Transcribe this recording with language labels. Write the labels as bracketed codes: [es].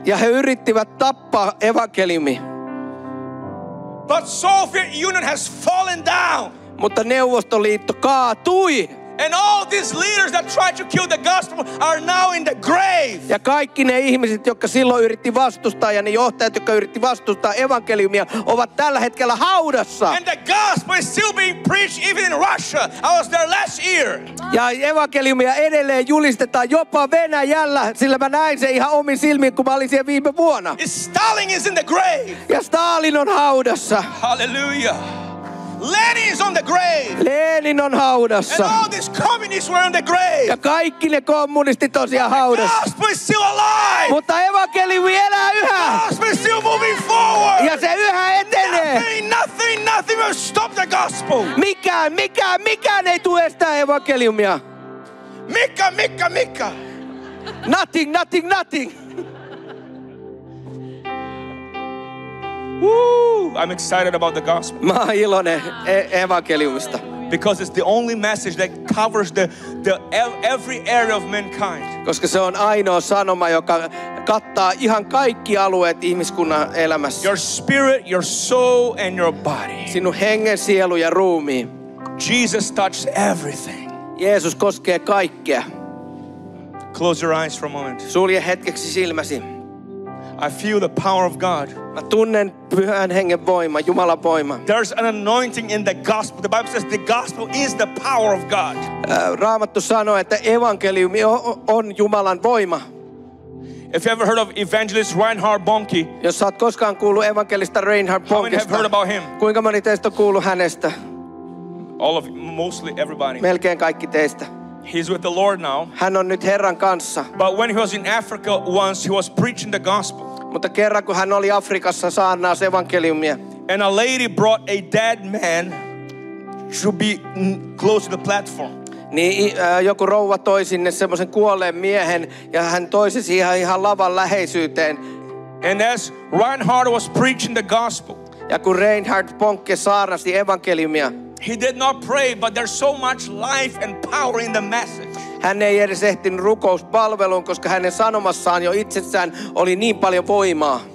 [fi] Ja he yrittivät tappaa evankeliumi. [en] But Soviet Union has fallen down. [fi] Mutta Neuvostoliitto kaatui. [en] And all these leaders that tried to kill the gospel are now in the grave. [fi] Ja kaikki ne ihmiset, jotka silloin yritti vastustaa, ja ne johtajat, jotka yritti vastustaa evankeliumia, ovat tällä hetkellä haudassa. [en] And the gospel is still being preached even in Russia. I was there last year. [fi] Ja evankeliumia edelleen julistetaan jopa Venäjällä, sillä mä näin sen ihan omin silmin, kun mä olin siellä viime vuonna. [en] Stalin is in the grave. [fi] Ja Stalin on haudassa. [en] Hallelujah. Lenin is on the grave. [fi] Lenin on haudassa. [en] And all these communists were on the grave. [fi] Ja kaikki ne kommunistit on siellä haudassa. [en] The gospel is still alive. [fi] Mutta evankeliumi elää yhä. [en] The gospel is still moving forward. [fi] Ja se yhä etenee. [en] Nothing will stop the gospel. [fi] Mikään ei tule estää evankeliumia. Mikä. [en] Nothing. I'm excited about the gospel. [fi] Mä oon iloinen evankeliumista. [en] Because it's the only message that covers every area of mankind. [fi] Koska se on ainoa sanoma, joka kattaa ihan kaikki alueet ihmiskunnan elämässä. [en] Your spirit, your soul and your body. [fi] Sinun hengen, sielu ja ruumi. [en] Jesus touches everything. [fi] Jeesus koskee kaikkea. [en] Close your eyes for a moment. [fi] Sulje hetkeksi silmäsi. [en] I feel the power of God. [fi] Mä tunnen Pyhän Hengen voima, Jumalan voima. [en] There's an anointing in the gospel. The Bible says the gospel is the power of God. [fi] Raamattu sanoo, että evankeliumi on Jumalan voima. [en] If you ever heard of evangelist Reinhard Bonnke? [fi] Jos saat koskaan kuullut evankelista Reinhard Bonnkesta? [en] How many have heard about him? [fi] Kuinka moni teistä on kuullut hänestä? [en] All of you, mostly everybody. [fi] Melkein kaikki teistä. [en] He's with the Lord now. [fi] Hän on nyt Herran kanssa. [en] But when he was in Africa once, he was preaching the gospel. [fi] Mutta kerran kun hän oli Afrikassa saarnaas evankeliumia. [en] And a lady brought a dead man to be close to the platform. [fi] Niin joku rouva toi sinne semmoisen kuolleen miehen ja hän toi se siihen ihan lavan läheisyyteen. [en] And as Reinhard was preaching the gospel. [fi] Ja kun Reinhard Bonnke saarnasi evankeliumia. [en] He did not pray, but there's so much life and power in the message. [fi] Hän ei edes ehtinyt rukouspalveluun, koska hänen sanomassaan jo itsessään oli niin paljon voimaa.